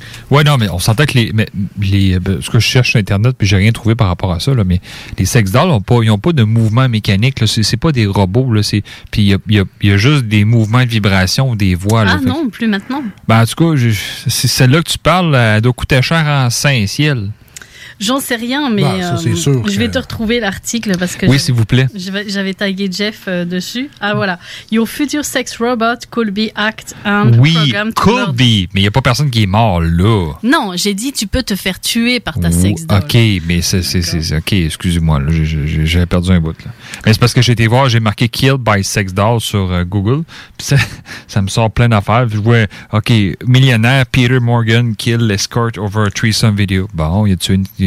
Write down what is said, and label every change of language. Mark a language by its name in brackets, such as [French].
[French] Ouais, non, mais on s'entend que ce que je cherche sur Internet, puis j'ai rien trouvé par rapport à ça, là, mais les sex dolls ils n'ont pas de mouvement mécanique, là, c'est pas des robots, là, c'est, puis il y a juste des mouvements de vibration ou des voix. Ah là, non, fait, plus maintenant. Ben, en tout cas, c'est celle-là que tu parles, là, elle doit coûter cher en Saint-Ciel. J'en sais rien, mais je vais te retrouver l'article parce que... Oui, s'il vous plaît. J'avais tagué Jeff dessus. Ah, voilà. [English] Your future sex robot could be hacked and [French] oui, [English] programmed [French] to... Oui, [English] could be, [French] mais il n'y a pas personne qui est mort là. Non, j'ai dit tu peux te faire tuer par ta sex doll. OK, mais c'est OK, excusez-moi, là, j'ai perdu un bout. Là. Mais c'est parce que j'ai été voir, j'ai marqué « [English] killed by sex doll [French] » sur Google. Puis ça me sort plein d'affaires. Je vois, OK, millionnaire Peter Morgan [English] kill escort over a threesome video. [French] Bon, il a tué une...